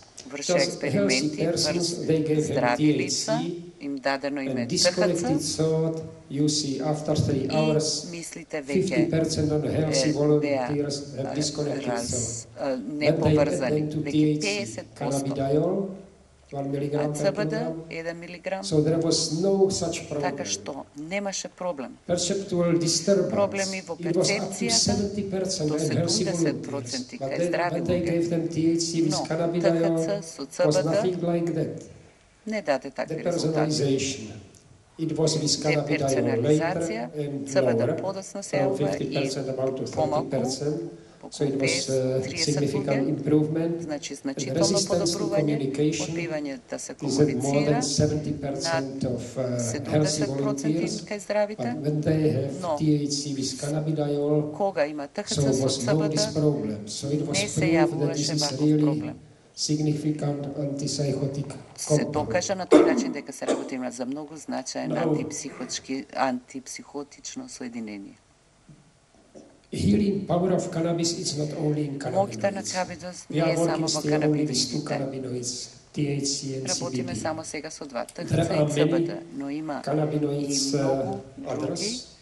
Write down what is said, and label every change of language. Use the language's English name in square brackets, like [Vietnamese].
[Macedonian] врша експерименти врз здрави лица, им дадено им е ТХЦ. [English] You see, after 3 hours, 50% of healthy volunteers have disconnected. So, [Macedonian] неповрзани. [English] Cannabidiol, 1 milligram per kilogram. So there was no such problem. [Macedonian] Така што немаше проблем. [English] Perceptual disturbance. [Macedonian] Проблеми во перцепцијата. [English] 70% of healthy volunteers. But they gave them THC with cannabidiol. So CBD. Was nothing like that. [Macedonian] Не даде такви резултати. [English] It was with cannabidiol later and lower, from 50% about to 30%, so it was a significant improvement. And resistance to communication is at more than 70% of healthy volunteers, but when they have THC with cannabidiol, so was no this problem. So it was proved that this is really significant antipsychotic. [Macedonian] Се докажа на тој начин дека се работи има за многу значаен антипсихотички, антипсихотично соединение. [English] Healing power of cannabis is not only in cannabinoids. [Macedonian] Моќта на канабидос не е само во канабидоидите. THC and работиме само сега со два, ТХЦ и ЦБД, но има и многу други